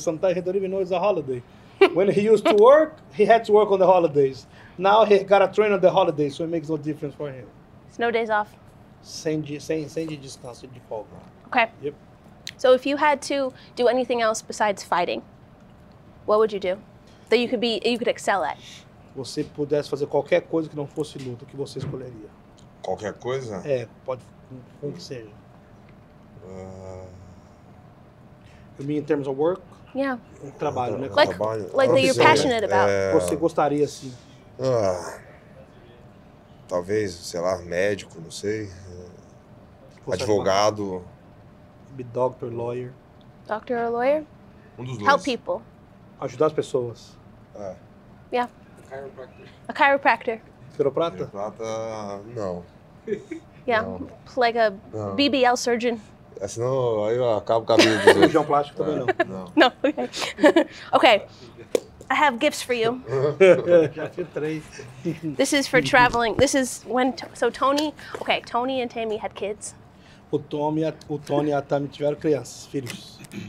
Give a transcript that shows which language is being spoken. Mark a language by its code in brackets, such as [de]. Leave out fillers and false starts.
[en] Sometimes he don't even know it's a holiday. When he used to work, he had to work on the holidays. Now he got a train on the holidays, so it makes no difference for him. It's no days off. [pt] Sem de descanso, de folga. [en] Okay. Yep. So if you had to do anything else besides fighting, what would you do that you could excel at? [pt] Você pudesse fazer qualquer coisa que não fosse luta, o que você escolheria? Qualquer coisa? É, pode, como que seja. [en] You mean in terms of work? Yeah. [pt] Trabalho, né? [en] Like that you're passionate about. [pt] Você gostaria, assim. Talvez, sei lá, médico, não sei. Advogado. [en] Be doctor, lawyer. Doctor or lawyer? [pt] Um dos dois. [en] Help people. [pt] Ajudar as pessoas. É. [en] Yeah. A chiropractor. [pt] Chiroprata? Chiroprata, não. [en] Yeah, não. Like a não. BBL surgeon. [pt] É, senão aí eu acabo com a vida dos outros. João plástico também não. Não, [en] okay. Okay, I have gifts for you. [pt] Já tinha 3. [en] This is for traveling. This is when, so Tony, okay, Tony and Tammy had kids. [pt] O Tony e a Tammy tiveram crianças, filhos.